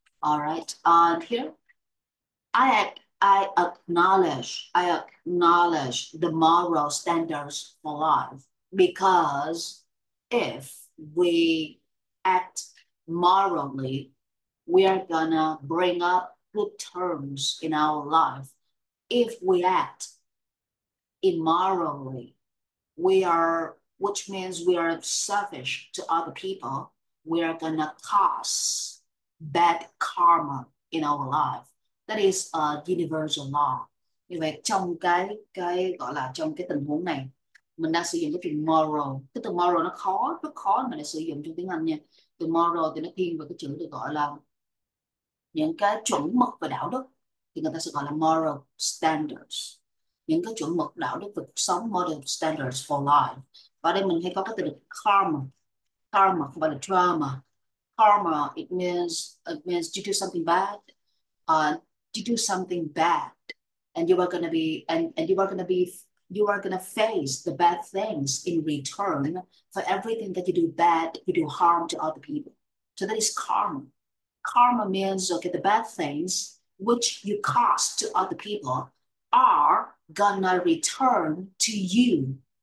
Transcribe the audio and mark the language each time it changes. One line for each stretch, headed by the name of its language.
English: All right, and here I acknowledge the moral standards for life, because if we act morally, we are gonna bring up good terms in our life. If we act immorally, which means we are selfish to other people, we are gonna cause bad karma in our life. That is a universal law.
Vietnamese: Như vậy trong cái gọi là trong cái tình huống này, mình đang sử dụng cái từ moral. Cái từ moral nó khó, rất khó mà để sử dụng trong tiếng Anh nha. Từ moral thì nó thiên về cái chữ được gọi là những cái chuẩn mực và đạo đức, thì người ta sẽ gọi là
English: moral standards.
Vietnamese: Những cái chuẩn mực đạo đức cuộc sống,
English: moral standards for life.
Vietnamese: Và đây mình hay có cái từ được karma. Karma không phải là trauma.
English: Karma, it means to do something bad. To do something bad, and you are gonna face the bad things in return for everything that you do bad, you do harm to other people. So that is karma. Karma means the bad things which you cause to other people are gonna return to you.